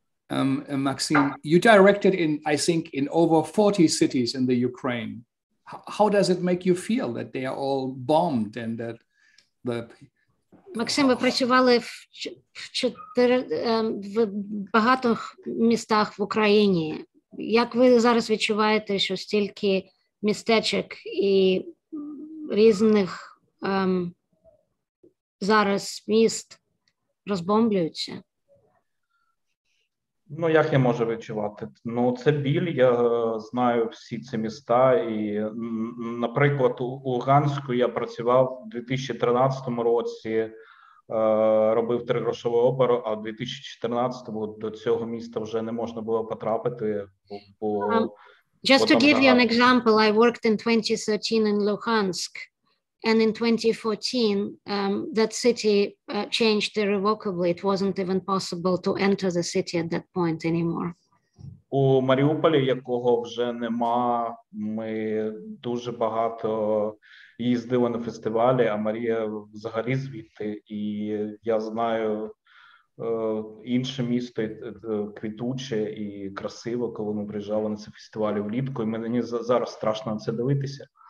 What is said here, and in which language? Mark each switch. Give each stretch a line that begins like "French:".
English: Maxim, you directed in, I think, in over 40 cities in the Ukraine. How does it make you feel that they are all bombed and that the...
Ukrainian: Максим, ви працювали в багатьох містах в Україні. Як ви зараз відчуваєте, що стільки містечок і різних зараз міст розбомблюються? Ну, як я можу відчувати? Ну, це біль, я знаю всі ці міста, і, наприклад, у Луганську я працював у 2013 році, робив тригрошовий опер, а 2014-му до цього міста вже не можна було потрапити. Бо,
English: just бо to give you an example, I worked in 2013 in Luhansk, and in 2014 that city changed irrevocably. It wasn't even possible to enter the city at that point anymore.
Ukrainian: У Маріуполі, якого вже нема, ми дуже багато їздили на фестивалі, а Марія взагалі звідти. І я знаю інше місто, квітуче і красиво, коли ми приїжджали на ці фестивалі влітку, і мені зараз страшно на це дивитися.